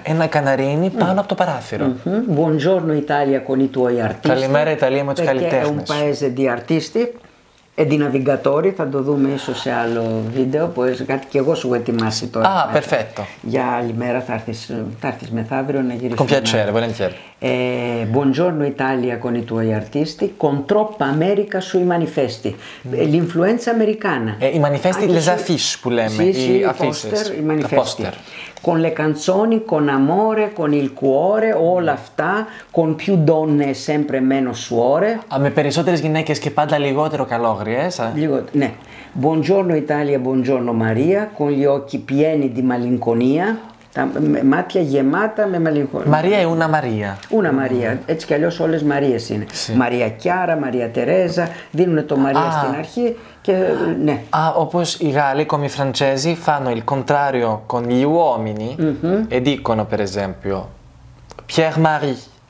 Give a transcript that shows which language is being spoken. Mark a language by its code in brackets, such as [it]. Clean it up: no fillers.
[el] Ένα καναρίνι πάνω από το παράθυρο. [it] Buongiorno Italia con i tuoi artisti. [el] Καλημέρα Ιταλία με τους καλλιτέχνες. [it] Perché è un paese di artisti e di navigatori, [el] θα το δούμε ίσως σε άλλο βίντεο, κάτι και εγώ σου έχω ετοιμάσει τώρα. [it] Ah, perfetto. [el] Για άλλη μέρα θα έρθεις μεθαύριο να γυρίσεις. [it] Con piacere, volentieri. Buongiorno Italia con i tuoi artisti, con troppa America sui manifesti. L'influenza americana. I manifesti, [fr] les affiches, [el] που λέμε. [it] Sì, i manifesti. Con le canzoni, con amore, con il cuore, [el] όλα αυτά, [it] con più donne e sempre meno suore. [el] Με περισσότερες γυναίκες και πάντα λιγότερο καλόγριες. Ναι. [it] Buongiorno Italia, buongiorno Maria, con gli occhi pieni di malinconia. [el] Τα μάτια γεμάτα με μελαγχολία. Μαρία ή ούνα Μαρία. Ούνα Μαρία. Έτσι κι αλλιώς όλες Μαρίες είναι. Sí. Μαρία Κιάρα, Μαρία Τερέζα. Δίνουν το Μαρία στην αρχή και ναι. [it] Όπως οι Γάλλοι, come [el] οι Φραντσέζοι, [it] fanno il contrario con gli uomini e dicono, per esempio, Pierre Marie.